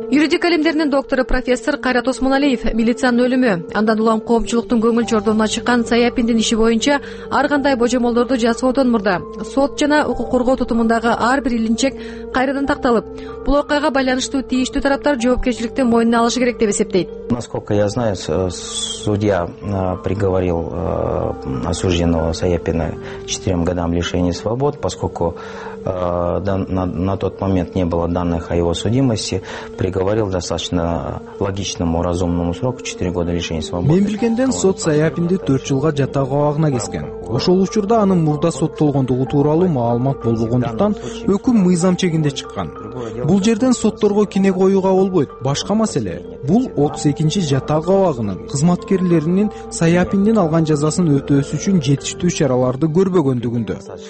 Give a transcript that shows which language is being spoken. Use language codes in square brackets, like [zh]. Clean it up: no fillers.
[ky] Билимдеринин доктору профессор Кайрат Осмоналиев милициянын өлүмү, андан улам коомчулуктун көңүл чордоруна чыккан Саяпиндин иши боюнча ар кандай божомолдорду жасоодон мурда сот жана укук коргоо тутумундагы ар бир илинчек кайрадан такталып, бул окуяга байланыштуу тийиштүү тараптар жоопкерчиликти мойнуна алышы керек деп эсептейт. [ru] Насколько я знаю, судья приговорил осужденного Саяпина 4 годам лишения свобод, поскольку на тот момент не было данных о его судимости, приговорил достаточно логичному, разумному сроку 4 года лишения свободы. [ky] Мен билгенден сот Саяпинди 4 жылга жатаа кабагына кескен. Ошол учурда анын мурда соттолгондугу тууралуу маалымат болбогондуктан өкүм мыйзам чегинде чыккан. Бул жерден сотторго кине коюуга болбойт. Башка маселе, бул 32-чи жатаа кабагынын кызматкерлеринин Саяпиндин алган жазасын өтөөсү үчүн жетиштүү чараларды көрбөгөндүгүндө.